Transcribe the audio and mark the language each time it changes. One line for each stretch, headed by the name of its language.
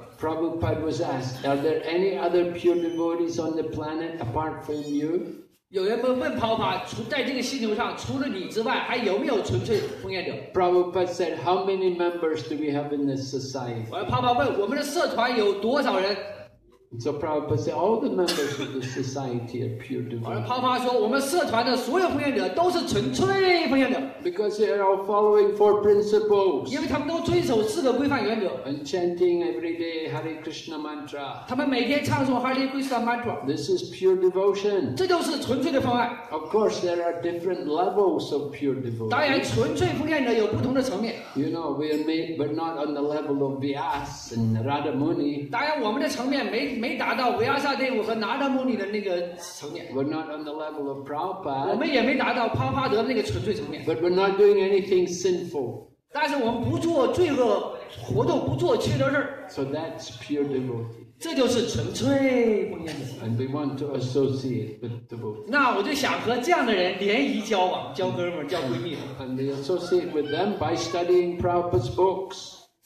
English: Prabhupada was asked, "Are there any other pure devotees on the planet apart from you?"
Chinese: 有人问帕帕，除在这个星球上，除了你之外，还有没有纯粹奉献者？
English: Prabhupada said, "How many members do we have in this society?"
Chinese: 帕帕问，我们的社团有多少人？
English: So Prabhupada said, "All the members of the society are pure devotees."
Chinese: 帕帕说，我们社团的所有奉献者都是纯粹奉献者。
English: Because they are all following four principles.
Chinese: 因为他们都遵守四个规范原则。
English: And chanting every day Hare Krishna mantra.
Chinese: 他们每天唱诵 Hare Krishna mantra.
English: This is pure devotion.
Chinese: 这就是纯粹的方案。
English: Of course, there are different levels of pure devotion.
Chinese: 当然，纯粹奉献者有不同的层面。
English: You know, we're not on the level of Vyas and Radha Muni.
Chinese: 当然，我们的层面没。没达到维亚萨帝和拿达摩尼的那个层面。
English: We're not on the level of Prabhupada.
Chinese: 我们也没达到帕帕德那个纯粹层面。
English: But we're not doing anything sinful.
Chinese: 但是我们不做罪恶活动，不做缺德事儿。
English: So that's pure devotee.
Chinese: 这就是纯粹奉献者。
English: And we want to associate with devotees.
Chinese: 那我就想和这样的人联谊交往，交哥们儿，交闺蜜。
English: And we associate with them by studying Prabhupada's books.